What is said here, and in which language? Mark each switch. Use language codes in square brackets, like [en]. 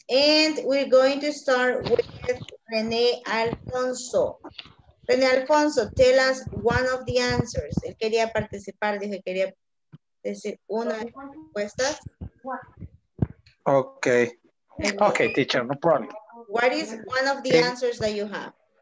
[en] And we're going to start with René Alfonso. René Alfonso, tell us one of the answers. [es] Él quería participar, dijo que quería decir una de las respuestas. [en] Okay. Okay, teacher, no problem. What is one of the answers that you have?